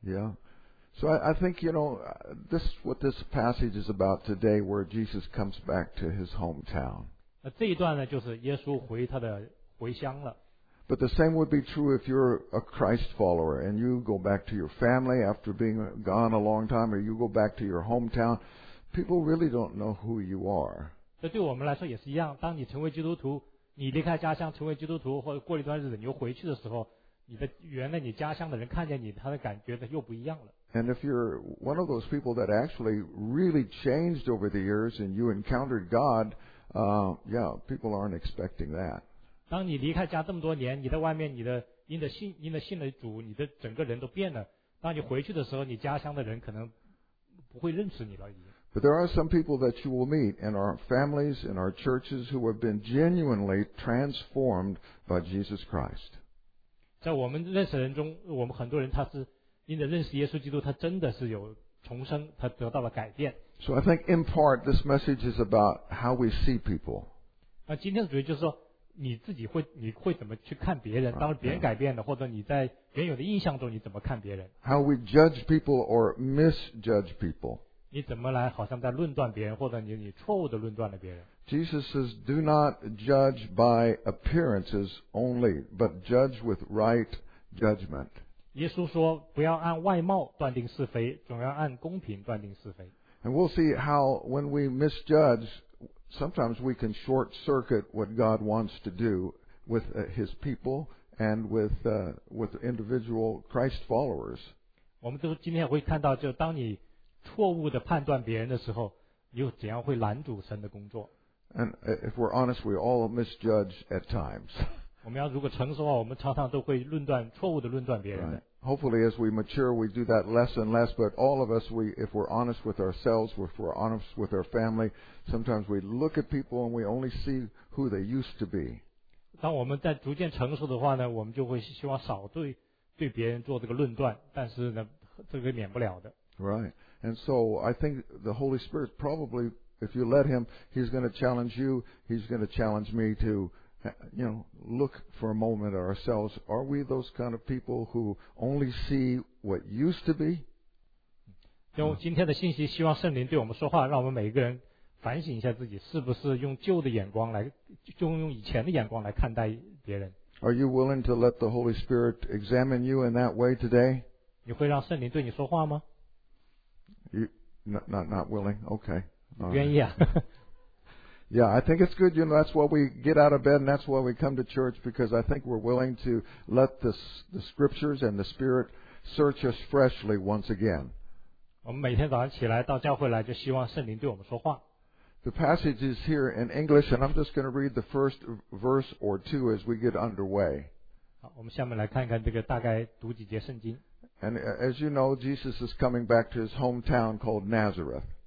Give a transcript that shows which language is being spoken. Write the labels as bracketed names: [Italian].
[English] Yeah. So I think, you know, this what this passage is about today, where Jesus comes back to his hometown. [Chinese] 这一段呢，就是耶稣回他的回乡了。 [English] But the same would be true if you're a Christ follower and you go back to your family after being gone a long time, or you go back to your hometown. People really don't know who you are. [Chinese] 这对我们来说也是一样。当你成为基督徒，你离开家乡成为基督徒，或者过一段日子你又回去的时候，你的原来你家乡的人看见你，他的感觉的又不一样了。 [English] And if you're one of those people that actually really changed over the years and you encountered God, people aren't expecting that. [Chinese] 当你离开家这么多年，你在外面，你的信了主，你的整个人都变了。当你回去的时候，你家乡的人可能不会认识你了已经。 [English] But there are some people that you will meet in our families, in our churches, who have been genuinely transformed by Jesus Christ. [Chinese] 在我们认识人中，我们很多人他是。因着认识耶稣基督，他真的是有重生，他得到了改变。 [English] So I think in part this message is about how we see people. [Chinese] 那今天的主题就是说，你自己会你会怎么去看别人？当别人改变了，或者你在原有的印象中，你怎么看别人 [English] ？How we judge people or misjudge people? [Chinese] 你怎么来好像在论断别人，或者你错误的论断了别人 [English] ？Jesus says, "Do not judge by appearances only, but judge with right judgment." [Chinese] 耶稣说不要按外貌断定是非，总要按公平断定是非。 [English] And we'll see how when we misjudge, sometimes we can short circuit what God wants to do with his people and with individual Christ followers. [Chinese] 我们都今天会看到，就当你错误的判断别人的时候，你又怎样会拦阻神的工作。 [English] And if we're honest, we all misjudge at times. [Chinese] 我们要如果诚实的话，我们常常都会论断错误的论断别人的。 [English] Right. hopefully as we mature, we do that less and less. But all of us, if we're honest with ourselves, if we're honest with our family, sometimes we look at people and we only see who they used to be. [Chinese] 当我们在逐渐成熟的话呢，我们就会希望少对别人做这个论断，但是呢，这个免不了的。 [English] Right. And so I think the Holy Spirit probably, if you let him, he's going to challenge you, he's going to challenge me to, you know, look for a moment at ourselves. Are we those kind of people who only see what used to be? [Chinese] 用今天的信息，希望圣灵对我们说话，让我们每一个人反省一下自己，是不是用旧的眼光来，就用以前的眼光来看待别人。 [English] Are you willing to let the Holy Spirit examine you in that way today? [Chinese] 你会让圣灵对你说话吗？ [English] Not willing. Okay. [Chinese] 愿意啊。 [English] Yeah, I think it's good. You know, that's why we get out of bed and that's why we come to church, because I think we're willing to let the scriptures and the Spirit search us freshly once again. [Chinese] 我们每天早上起来到教会来，就希望圣灵对我们说话。 [English] The passage is here in English, and I'm just going to read the first verse or two as we get underway. [Chinese] 好，我们下面来看看这个大概读几节圣经。 [English] And as you know, Jesus is coming back to his hometown called Nazareth.